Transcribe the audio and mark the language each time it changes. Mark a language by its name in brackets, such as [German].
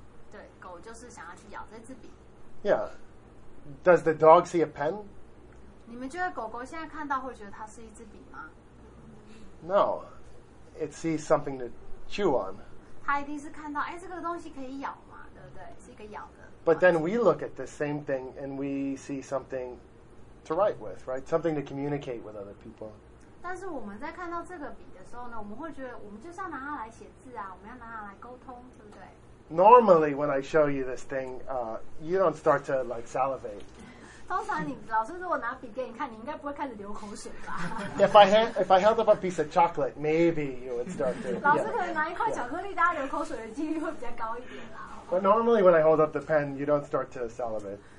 [Chinese] 对，狗就是想要去咬这支笔。 [English] Yeah. Does the dog see a pen? [Chinese] 你们觉得狗狗现在看到会觉得它是一支笔吗？ [English] No. It sees something to chew on. [Chinese] 它一定是看到，哎，这个东西可以咬嘛，对不对？是一个咬的。 [English] But then we look at the same thing and we see something to write with, right? Something to communicate with other people. [Chinese] 但是我们在看到这个笔的时候呢，我们会觉得我们就是要拿它来写字啊，我们要拿它来沟通，对不对 [English] ？Normally, when I show you this thing, you don't start to like salivate. [Chinese] 通常你老师如果拿笔给你看，你应该不会开始流口水吧 [English] ？If I held up a piece of chocolate, maybe you would start to. [Chinese] 老师可能拿一块巧克力， yeah. 大家流口水的几率会比较高一点啦。 [English] But normally, when I hold up the pen, you don't start to salivate.